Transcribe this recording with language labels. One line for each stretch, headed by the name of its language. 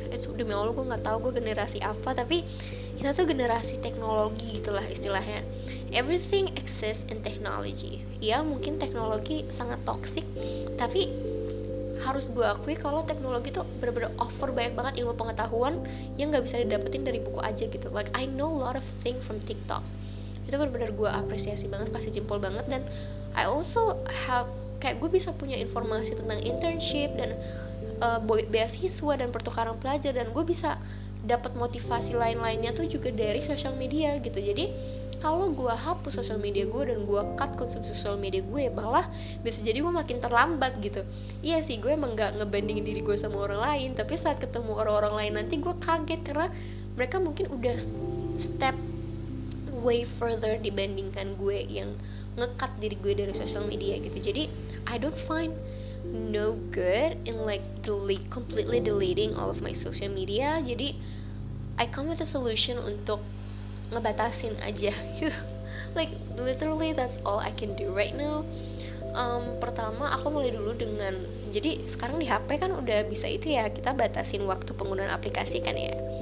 Indonesian: Demi Allah, gue nggak tahu gue generasi apa, tapi kita tuh generasi teknologi gitulah istilahnya.
English: Everything exists in technology.
Indonesian: Ya, mungkin teknologi sangat toxic, tapi harus gue akui kalau teknologi tuh benar-benar offer banyak banget ilmu pengetahuan yang gak bisa didapetin dari buku aja gitu.
English: Like I know a lot of things from TikTok.
Indonesian: Itu benar-benar gue apresiasi banget, kasih jempol banget. Dan
English: I also have,
Indonesian: kayak gue bisa punya informasi tentang internship dan beasiswa dan pertukaran pelajar, dan gue bisa dapat motivasi lain-lainnya tuh juga dari social media gitu. Jadi kalau gue hapus sosial media gue dan gue cut konsumsi sosial media gue, malah bisa jadi gue makin terlambat gitu. Iya sih, gue emang gak ngebandingin diri gue sama orang lain, tapi saat ketemu orang-orang lain nanti gue kaget, karena mereka mungkin udah
English: step way further
Indonesian: dibandingkan gue yang nge-cut diri gue dari sosial media gitu. Jadi
English: I don't find no good in like completely deleting all of my social media. Jadi I come with a solution
Indonesian: untuk ngebatasin aja.
English: Like literally that's all I can do right now.
Indonesian: Pertama, aku mulai dulu dengan, jadi sekarang di HP kan udah bisa itu ya, kita batasin waktu penggunaan aplikasi kan ya.